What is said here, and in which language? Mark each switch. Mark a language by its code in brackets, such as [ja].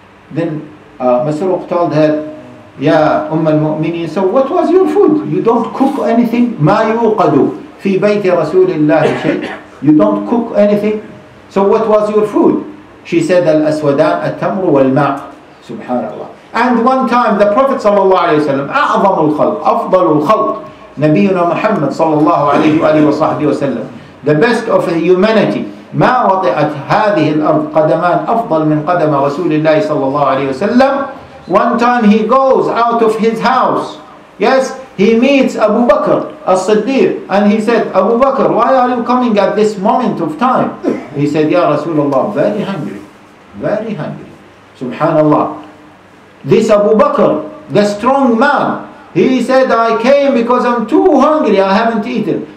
[en] Then Masruq told her, Ya Umm al-Mu'mineen, so what was your food? You don't cook anything? [ar] Ma yuqadu fi bayti Rasulillahi shay'. [en] You don't cook anything? So what was your food? [ar] She said, Al-Aswadan, Al-Tamru, Wal-Ma'. Subhanallah. [en] And one time the Prophet sallallahu alayhi wa sallam, [ar] أعظم الخلق, أفضل الخلق, نبينا محمد صلى الله عليه وآله وصحبه وسلم, [en] the best of humanity, [ar] ما وطئت هذه الأرض قدمان أفضل من قدم رسول الله صلى الله عليه وسلم. [en] One time he goes out of his house. Yes, he meets Abu Bakr al-Siddiq. And he said, Abu Bakr, why are you coming at this moment of time? He said, Ya Rasulullah, very hungry, very hungry. Subhanallah. This Abu Bakr, the strong man, he said, I came because I'm too hungry, I haven't eaten.